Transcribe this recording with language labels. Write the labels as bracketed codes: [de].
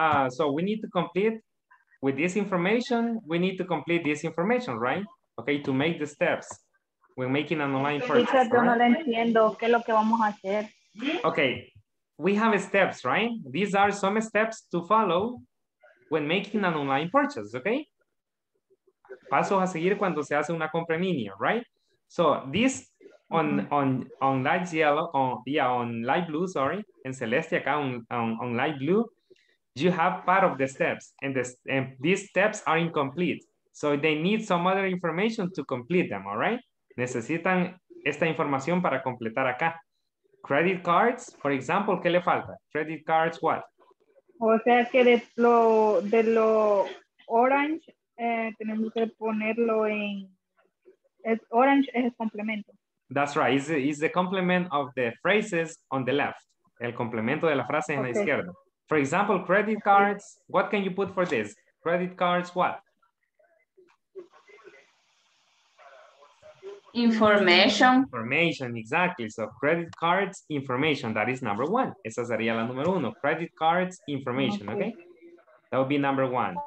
[en] So we need to complete with this information, we need to complete this information, right? Okay, to make the steps. We're making an online purchase. [es] Teacher, yo no lo entiendo. ¿Qué es lo que vamos a hacer? [en] Okay, we have steps, right? These are some steps to follow when making an online purchase, okay? [es] Pasos a seguir cuando se hace una compra en línea, right? [en] So this on light yellow, on light blue, sorry, [es] en celeste acá, [en] on light blue, you have part of the steps, and these steps are incomplete. So they need some other information to complete them, all right? [es] Necesitan esta información para completar acá. [en] Credit cards, for example, [es] ¿qué le falta? [en] Credit cards, what? [es] O sea que de lo orange, tenemos que ponerlo en, es orange es el complemento. [en] That's right, it's the complement of the phrases on the left. [es] El complemento de la frase en la izquierda. [en] For example, credit cards, what can you put for this? Credit cards, what? Information. Information, exactly. So credit cards, information, that is number one. [es] Esa sería la número uno. [en] Credit cards, information, okay? That would be number one.